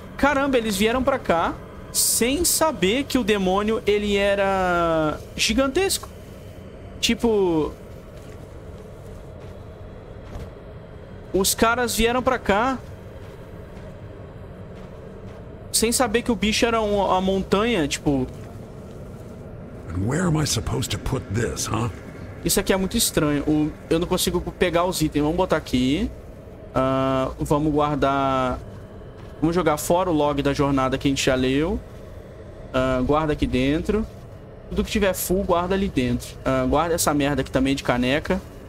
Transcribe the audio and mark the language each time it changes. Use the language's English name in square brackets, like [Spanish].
[Portuguese] Caramba, eles vieram pra cá sem saber que o demônio, ele era gigantesco. Tipo... Os caras vieram pra cá... Sem saber que o bicho era uma montanha, tipo... [English] Where am I supposed to put this, huh? [Portuguese] Isso aqui é muito estranho. Eu não consigo pegar os itens. Vamos botar aqui. Vamos guardar. Vamos jogar fora o log da jornada que a gente já leu. Guarda aqui dentro. Tudo que tiver full, guarda ali dentro. Guarda essa merda aqui também de caneca.